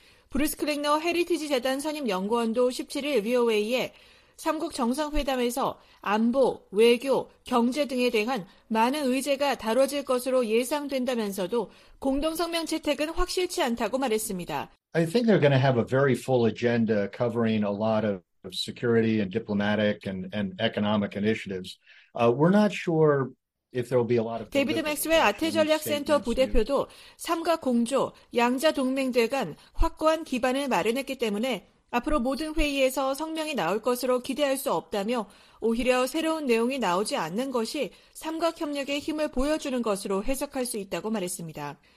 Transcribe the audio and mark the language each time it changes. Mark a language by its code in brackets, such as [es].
[ko] 브루스 클랭너 헤리티지 재단 선임 연구원도 17일 VOA에 3국 정상회담에서 안보, 외교, 경제 등에 대한 많은 의제가 다뤄질 것으로 예상된다면서도 공동성명 채택은 확실치 않다고 말했습니다. [en] I think they're going to have a very full agenda covering a lot of security and diplomatic and economic initiatives. We're not sure if there will be a lot of [ko] 데이비드 맥스웰 아태 전략 센터 부대표도 삼각 공조, 양자 동맹들 간 확고한 기반을 마련했기 때문에 앞으로 모든 회의에서 성명이 나올 것으로 기대할 수 없다며 오히려 새로운 내용이 나오지 않는 것이 삼각협력의 힘을 보여주는 것으로 해석할 수 있다고 말했습니다.